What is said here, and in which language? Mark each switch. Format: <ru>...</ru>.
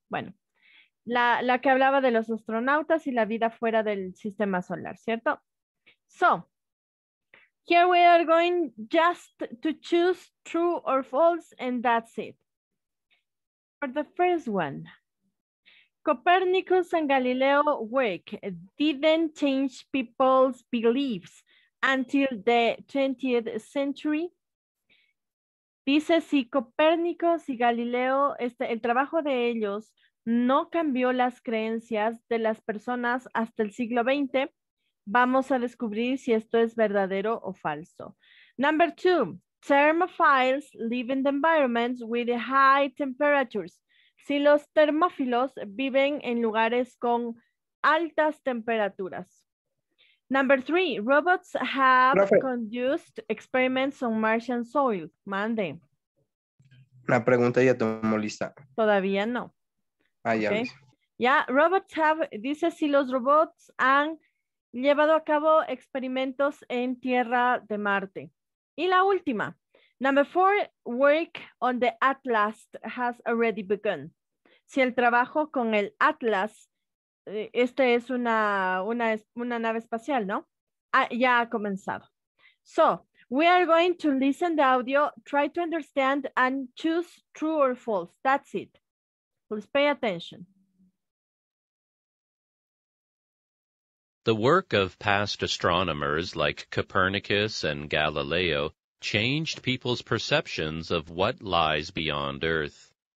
<es>Bueno, la que hablaba de los astronautas y la vida fuera del sistema solar, ¿cierto?</es> <en>So, here we are going just to choose true or false, and that's it. For the first one, Copernicus and Galileo's work didn't change people's beliefs until the 20th century.</en> <es>Dice si Copernicus y Galileo, el trabajo de ellos no cambió las creencias de las personas hasta el siglo XX. Vamos a descubrir si esto es verdadero o falso.</es> <en>Number two, thermophiles live in the environments with high temperatures.</en> <es>Si los termófilos viven en lugares con altas temperaturas.</es> <en>Number three, robots have conducted experiments on Martian soil.</en> <es>Mande. La pregunta ya tomó lista. Todavía no. Ah, ya.</es> <en>Okay.</en> <es>Ya,</es> <en>robots have,</en> <es>dice si los robots han llevado a cabo experimentos en Tierra de Marte. Y la última.</es> <en>Number four, work on the Atlas has already begun.</en> <es>Si el trabajo con el Atlas, este es una nave espacial, ¿no? Ya ha comenzado.</es> <en>So, we are going to listen the audio, try to understand and choose true or false. That's it. Please pay attention. The work of past astronomers like Copernicus and Galileo changed people's perceptions of what lies beyond Earth.</en>